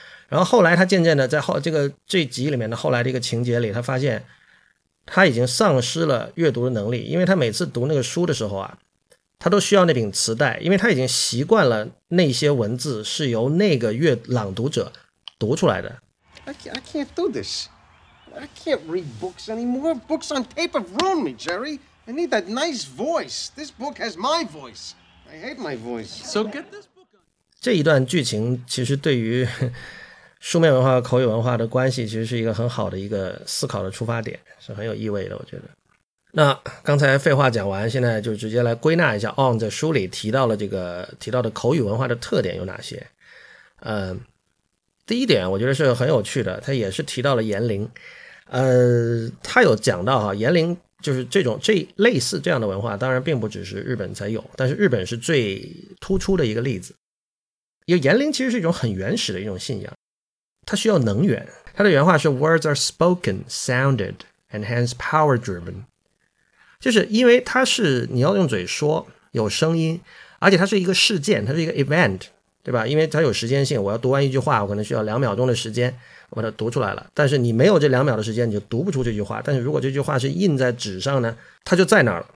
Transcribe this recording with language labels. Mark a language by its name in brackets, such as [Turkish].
[Chinese] 然后后来他渐渐的在这集里面的后来的一个情节里，他发现他已经丧失了阅读的能力，因为他每次读那个书的时候啊，他都需要那柄磁带，因为他已经习惯了那些文字是由那个朗读者读出来的。 [English] I can't do this. I can't read books anymore. Books on tape have ruined me, Jerry. I need that nice voice. This book has my voice. I hate my voice. So get this book. [Chinese] 这一段剧情其实对于书面文化和口语文化的关系，其实是一个很好的一个思考的出发点，是很有意味的，我觉得。那刚才废话讲完，现在就直接来归纳一下 On 在书里提到的口语文化的特点有哪些。第一点我觉得是很有趣的，他也是提到了言灵。他有讲到言灵，就是类似这样的文化当然并不只是日本才有，但是日本是最突出的一个例子。因为言灵其实是一种很原始的一种信仰，它需要能源。它的原话是 [English] words are spoken, sounded, and hence power driven。 [Chinese] 就是因为它是你要用嘴说，有声音，而且它是一个事件，它是一个 event， 对吧？因为它有时间性，我要读完一句话，我可能需要两秒钟的时间，我把它读出来了。但是你没有这两秒的时间，你就读不出这句话。但是如果这句话是印在纸上呢，它就在那儿了。